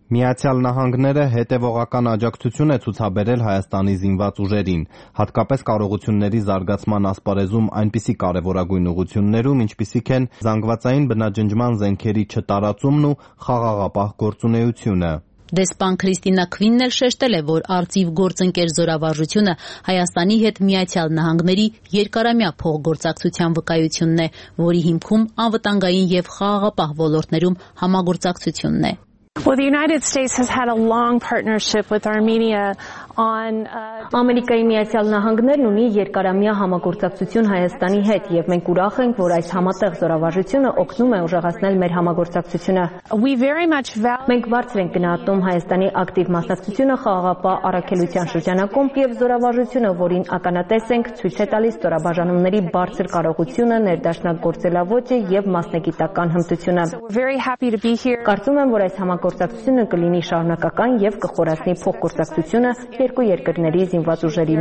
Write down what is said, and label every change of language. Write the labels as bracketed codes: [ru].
[hy] Միացյալ Նահանգները հետևողական աջակցություն է ցուցաբերել Հայաստանի զինված ուժերին, հատկապես կարողությունների զարգացման ասպարեզում այնպիսի կարևորագույն ուղություններում, ինչպիսիք են զանգվածային բնաջնջման զենքերի չտարածումն ու խաղաղապահ գործունեությունը։ Դեսպան Քրիստինա Քվինն էլ շեշտել է, որ արծիվ գործընկեր զորավարժությունը Հայաստանի հետ Միացյալ Նահանգների երկարամյա փոխգործակցության վկայությունն է, որի հիմքում անվտանգային և խաղաղապահ ոլորտներում համագործակցությունն է։ [en] Well, the United States has had a long partnership with Armenia on [hy] Ամերիկայի Միացյալ Նահանգներն ունի երկարամյա համագործակցություն Հայաստանի հետ, եւ մենք ուրախ ենք, որ այս համատեղ զորավարժությունը օգնում է ուժեղացնել մեր համագործակցությունը։ Մենք բարձր ենք գնահատում Հայաստանի ակտիվ մասնակցությունը խաղաղապահ առաքելության շրջանակում, եւ զորավարժությունը, որին ականատես ենք, ցույց է տալիս ստորաբաժանումների բարձր կարողությունը, ներդաշնակորցելավոճը եւ մասնակիտական հմտությունը։ Կարծում եմ, որ այս համագործակցությունը կլինի շարունակական եւ կխորացնի փոխգործակցությունը երկու երկրների զինված ուժերի